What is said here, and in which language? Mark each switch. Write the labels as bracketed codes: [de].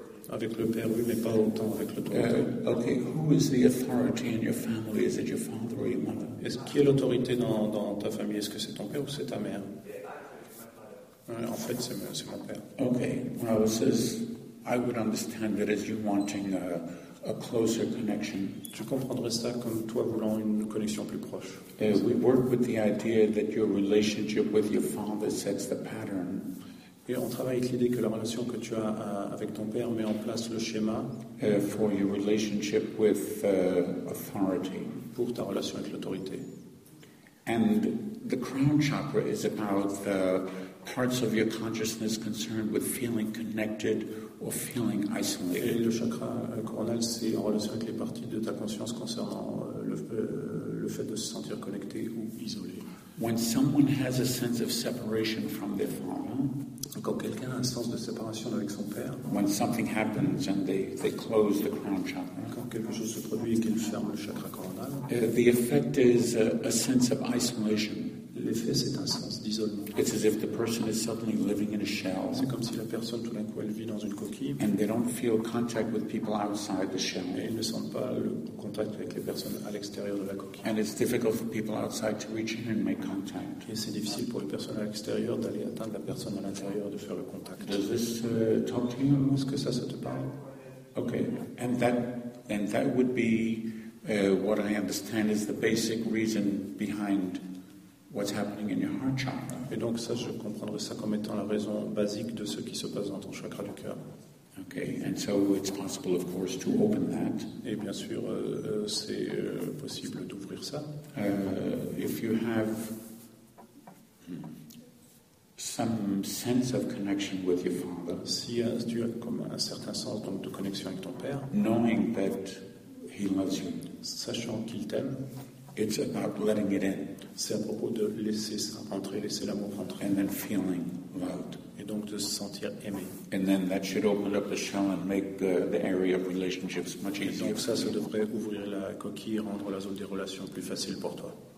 [fr] Avec le père, oui, mais pas autant avec l'autorité. [en] Okay, who is the authority in your family? Is it your father or your mother? [fr] Qui est l'autorité dans ta famille? Est-ce que c'est ton père ou c'est ta mère? En fait, c'est mon père. [en] Okay, well, it says, I would understand that as you wanting a closer connection. [fr] Tu comprendrais ça comme toi voulant une connexion plus proche. [en] We work with the idea that your relationship with your father sets the pattern. [fr] Et on travaille avec l'idée que la relation que tu as avec ton père met en place le schéma [en] for your relationship with, authority. [fr] Pour ta relation avec l'autorité. [en] And the crown chakra is about the parts of your consciousness concerned with feeling connected or feeling isolated. [fr] Et le chakra coronal, c'est en relation avec les parties de ta conscience concernant le fait de se sentir connecté ou isolé. [en] When someone has a sense of separation from their father. [fr] Quand quelqu'un a un sens de séparation avec son père. [en] When something happens and they close the crown chakra. [fr] Quand quelque chose se produit et qu'il ferme le chakra coronal. [en] The effect is a sense of isolation. [fr] L'effet, c'est un sens d'isolement. [en] It's as if the person is suddenly living in a shell. [fr] C'est comme si la personne tout d'un coup elle vit dans une coquille. [en] And they don't feel contact with people outside the shell. [fr] Et ils ne sentent pas le contact avec les personnes à l'extérieur de la coquille. [en] And it's difficult for people outside to reach in and make contact. [fr] Et c'est difficile pour les personnes à l'extérieur d'aller atteindre la personne à l'intérieur de faire le contact. [en] Does this talk to you? [fr] Est-ce que ça te parle? [en] Okay, and that would be what I understand is the basic reason behind. What's happening in your heart chakra. [fr] Et donc ça, je comprendrais ça comme étant la raison basique de ce qui se passe dans ton chakra du cœur. [en] Okay, and so it's possible, of course, to open that. [fr] Et bien sûr, c'est possible d'ouvrir ça. [en] If you have some sense of connection with your father. [fr] Si tu as comme un certain sens donc de connexion avec ton père. [en] Knowing that he loves you. [fr] Sachant qu'il t'aime. [en] It's about letting it in. [fr] C'est à propos de laisser ça entrer, laisser l'amour entrer. [en] And then feeling loved. [fr] Et donc de se sentir aimé. [en] And then that should open up the shell and make the area of relationships much easier. [fr] Et donc ça, ça devrait ouvrir la coquille et rendre la zone des relations plus facile pour toi.